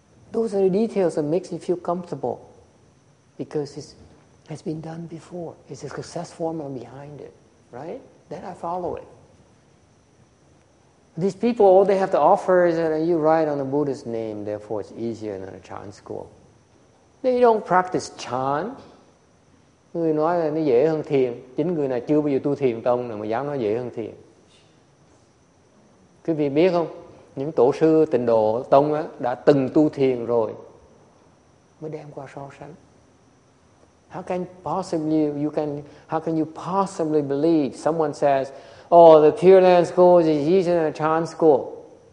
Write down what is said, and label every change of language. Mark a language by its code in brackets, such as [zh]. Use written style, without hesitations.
[en] Those are the details that makes me feel comfortable because it's has been done before. It's a success formula behind it, right? Then I follow it. These people, all they have to offer is that you write on the Buddha's name, therefore it's easier than a Chan school. They don't practice Chan. [vi] Người nói là nó dễ hơn thiền. Chính người này chưa bao giờ tu thiền tông mà dám nói dễ hơn thiền. Quý vị biết không? Những tổ sư tịnh độ tông á đã từng tu thiền rồi mới đem qua so sánh. [en] How can you possibly believe someone says, oh, the Pure Land School is easier than a Chan school?